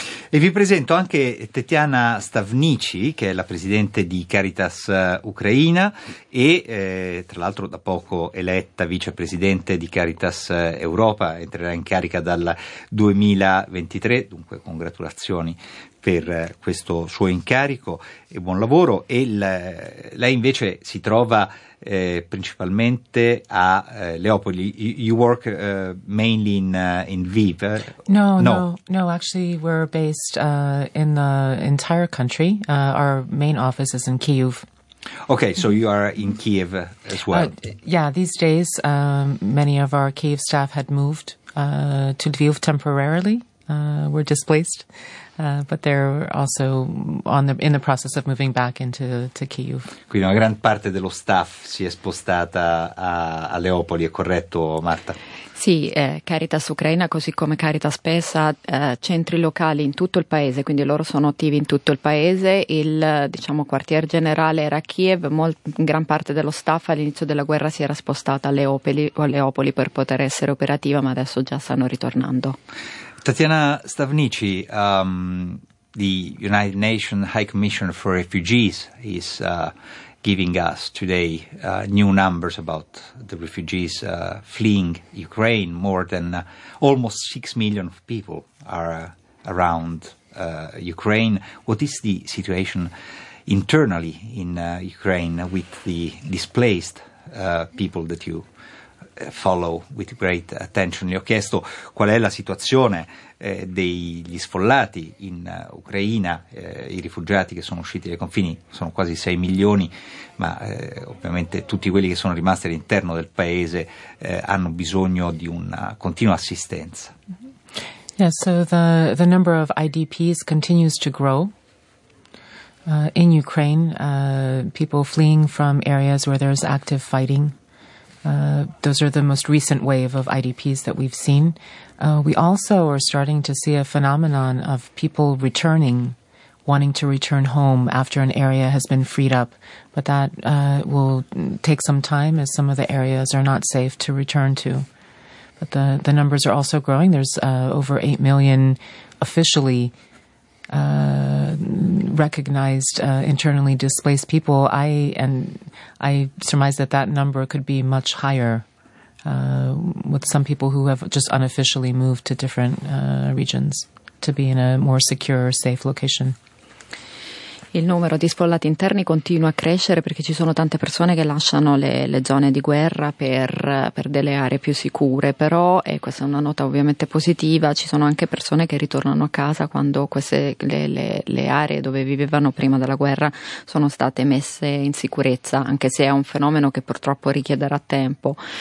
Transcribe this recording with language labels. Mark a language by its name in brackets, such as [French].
[Italian] E vi presento anche Tetiana Stavnici, che è la presidente di Caritas Ucraina e tra l'altro da poco eletta vicepresidente di Caritas Europa, entrerà in carica dal 2023, dunque congratulazioni per questo suo incarico e buon lavoro. E lei invece si trova principalmente a Leopoli. [English] You work mainly in Lviv. No, actually we're based in the entire country. Our main office is in Kyiv. Okay, so you are in Kyiv as well. Yeah, these days many of our Kyiv staff had moved to Lviv temporarily. Were displaced, but they're also in the process of moving back into Kyiv. [Italian] Quindi una gran parte dello staff si è spostata a Leopoli, è corretto, Marta? Sì, Caritas Ucraina, così come Caritas Pes, ha centri locali in tutto il paese, quindi loro sono attivi in tutto il paese. Il diciamo quartier generale era a Kiev, gran parte dello staff all'inizio della guerra si era spostata a Leopoli per poter essere operativa, ma adesso già stanno ritornando. [English] Tatiana Stavnici, the United Nations High Commissioner for Refugees, is giving us today new numbers about the refugees fleeing Ukraine. More than almost 6 million of people are around Ukraine. What is the situation internally in Ukraine with the displaced people that you follow with great attention. [Italian] Gli ho chiesto qual è la situazione degli sfollati in Ucraina, i rifugiati che sono usciti dai confini sono quasi 6 milioni, ma ovviamente tutti quelli che sono rimasti all'interno del paese hanno bisogno di una continua assistenza. [English] Yes, so the number of IDPs continues to grow. In Ukraine, people fleeing from areas where there's active fighting. Those are the most recent wave of IDPs that we've seen. We also are starting to see a phenomenon of people returning, wanting to return home after an area has been freed up. But that will take some time, as some of the areas are not safe to return to. But the numbers are also growing. There's over 8 million officially recognized internally displaced people. I surmise that that number could be much higher with some people who have just unofficially moved to different regions to be in a more secure, safe location. [Italian] Il numero di sfollati interni continua a crescere perché ci sono tante persone che lasciano le zone di guerra per delle aree più sicure, però, e questa è una nota ovviamente positiva, ci sono anche persone che ritornano a casa quando queste le aree dove vivevano prima della guerra sono state messe in sicurezza, anche se è un fenomeno che purtroppo richiederà tempo.